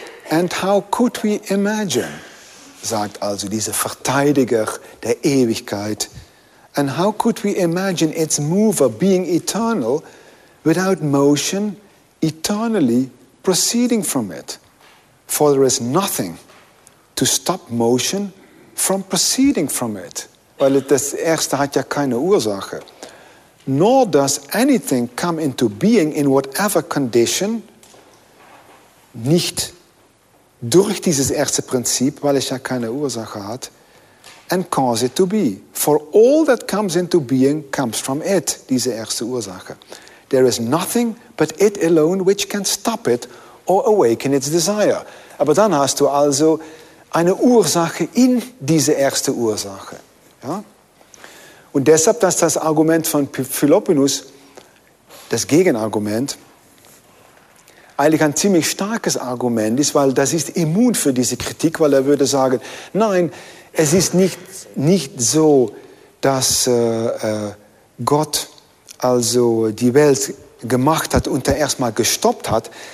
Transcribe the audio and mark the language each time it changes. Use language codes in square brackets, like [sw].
[en] And how could we imagine, [de] sagt also dieser Verteidiger der Ewigkeit, [en] and how could we imagine its mover being eternal without motion eternally proceeding from it? For there is nothing to stop motion from proceeding from it. [de] Weil das Erste hat ja keine Ursache. [en] Nor does anything come into being in whatever condition, [de] nicht durch dieses erste Prinzip, weil es ja keine Ursache hat, [en] and cause it to be. For all that comes into being comes from it, [de] diese erste Ursache. [en] There is nothing but it alone which can stop it or awaken its desire. [de] Aber dann hast du also eine Ursache in diese erste Ursache. Ja? Und deshalb, dass das Argument von Philoponus, das Gegenargument, eigentlich ein ziemlich starkes Argument ist, weil das ist immun für diese Kritik, weil er würde sagen, nein, es ist nicht so, dass Gott also die Welt gemacht hat und dann erstmal gestoppt hat.